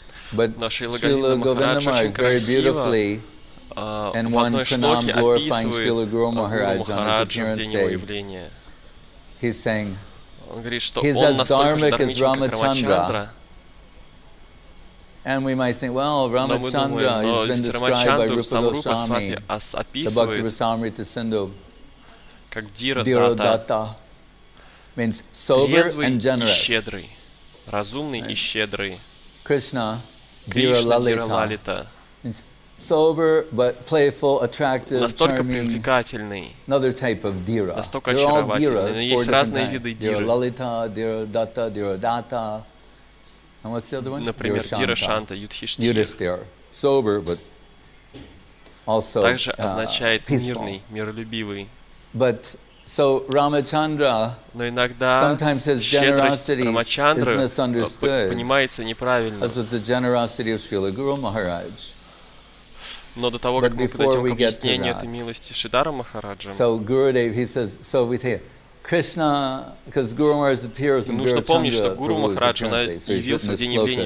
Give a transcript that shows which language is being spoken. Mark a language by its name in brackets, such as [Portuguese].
[Russian] Но Шрила Говинда Махарадж очень красиво в одной шлоке описывает Гуру Махараджа в день его явления. Он говорит, что он настолько же дармичен, как Рамачандра. [English] And we might think, well, Рамачандра has been described by Rupa Goswami, the Bhakti Rasamrita Sindhu, [Russian] как Дирадата, [English] means sober and generous, [Russian] щедрый, разумный и щедрый. [English] Krishna, Дира Лалита, means sober but playful, attractive, [Russian] настолько [English] charming, [Russian] привлекательный, [English] another type of Dira. [Russian] Настолько очаровательный. Есть разные виды Диры. Дира Лалита, Дирадата, Дирадата. And what's the other one? Например, Дирашанта, [English] Юдхиштхир. Sober, but also, [Russian] также означает мирный, миролюбивый. [English] But, so, Рамачандра, [Russian] но иногда щедрость Рамачандры понимается неправильно. [English] As was the generosity of Srila Guru Maharaj. [Russian] Но до того, как мы подойдем к объяснению этой милости Шридхара Махараджа, [English] so Gurudev, he says, so we take Krishna, because Guru Maharaj appears in Bhagavad Gita. [Russian] Нужно помнить, что Гуру Махарадж явился в день явления